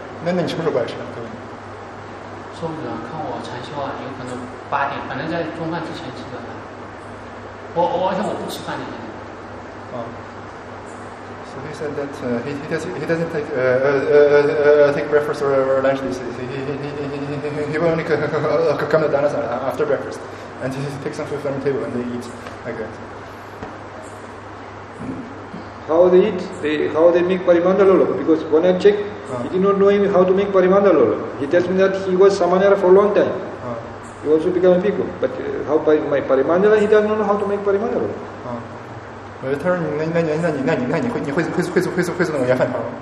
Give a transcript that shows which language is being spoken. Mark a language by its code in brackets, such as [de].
[zh] 那你是不是不爱吃的？对吧？说不准，看我禅修啊，有可能八点，反正在中饭之前吃的饭。而且我不吃饭的。啊。 [en] So he said that he doesn't take breakfast or lunch these days. He will only come to Dhanasana after breakfast, and he takes some food from the table and they eat like that. How they eat? How they make parimandalolo? Because when I check, he did not know him how to make parimandalolo. He tells me that he was samanera for a long time. He also became a bhikkhu, but how my parimandala? He does not know how to make parimandalolo. [zh] 他说你会怎么研判他吗？